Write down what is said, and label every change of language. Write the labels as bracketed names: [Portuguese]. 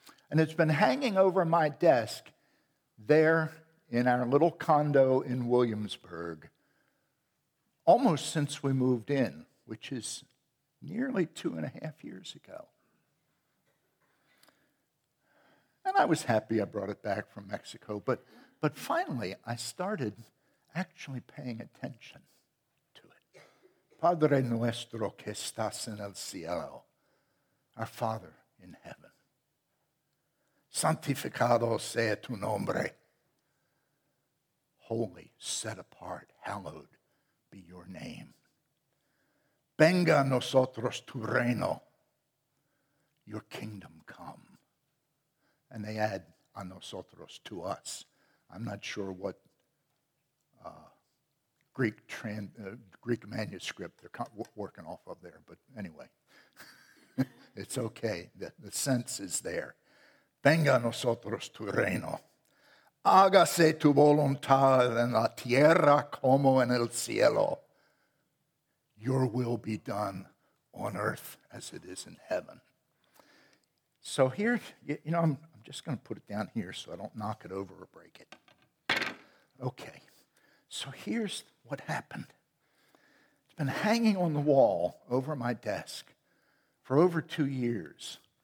[English] And it's been hanging over my desk there in our little condo in Williamsburg almost since we moved in, which is nearly 2.5 years ago. And I was happy I brought it back from Mexico, but finally I started actually paying attention. [Spanish] Padre nuestro que estás en el cielo, [English] our Father in heaven. [Spanish] Santificado sea tu nombre. [English] Holy, set apart, hallowed be your name. [Spanish] Venga a nosotros tu reino, [English] your kingdom come. And they add [Spanish] a nosotros, [English] to us. I'm not sure what Greek manuscript they're working off of there, but anyway, it's okay. The sense is there. [Spanish] Venga a nosotros tu reino. Hágase tu voluntad en la tierra como en el cielo. [English] Your will be done on earth as it is in heaven. So here, you know, I'm just going to put it down here so I don't knock it over or break it. Okay. So here's what happened. It's been hanging on the wall over my desk for over 2 years.